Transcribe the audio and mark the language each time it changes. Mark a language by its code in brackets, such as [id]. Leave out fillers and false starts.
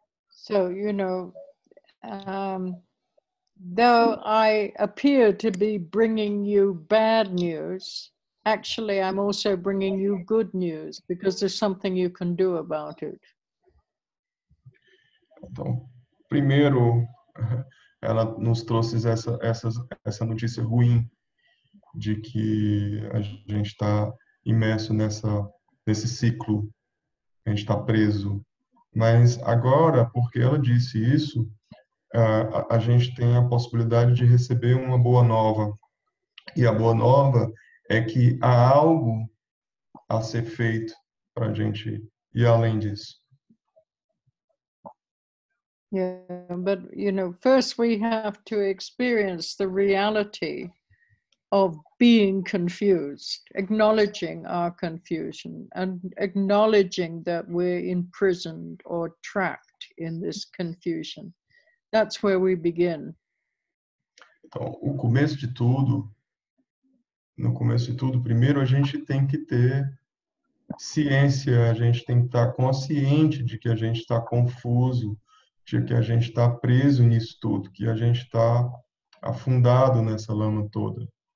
[en] So, you know, though I appear to be bringing you bad news, actually I'm also bringing you good news because there's something you can do about it. [pt] Então, primeiro, ela nos trouxe essa notícia ruim de que a gente está imerso nesse ciclo, a gente está preso. Mas agora, porque ela disse isso, a gente tem a possibilidade de receber uma boa nova. E a boa nova é que há algo a ser feito para a gente ir além disso. [en] Yeah, but, you know, first we have to experience the reality of being confused, acknowledging our confusion and acknowledging that we're imprisoned or trapped in this confusion. That's where we begin. [pt] Então, no começo de tudo, primeiro a gente tem que ter ciência, a gente tem que estar consciente de que a gente está confuso, de que a gente está preso nisso tudo, que a gente está afundado nessa lama toda.